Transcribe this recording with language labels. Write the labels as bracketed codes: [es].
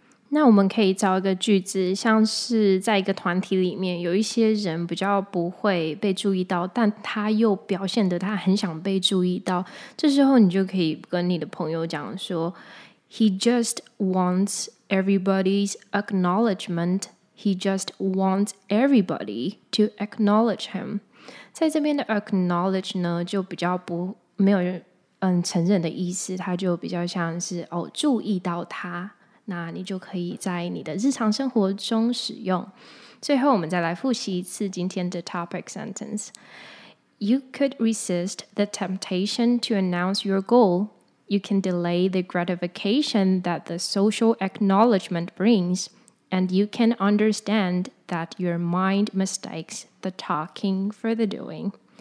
[zh] 那我们可以造一个句子，像是在一个团体里面有一些人比较不会被注意到，但他又表现得他很想被注意到，这时候你就可以跟你的朋友讲说 [en] He just wants everybody's acknowledgement。 He just wants everybody to acknowledge him。 [zh] 在这边的 acknowledge 呢就比较不没有人承认的意思，它就比较像是哦注意到它，那你就可以在你的日常生活中使用。最后我们再来复习一次今天的 topic sentence。 [en] You could resist the temptation to announce your goal. You can delay the gratification that the social acknowledgement brings. And you can understand that your mind mistakes the talking for the doing.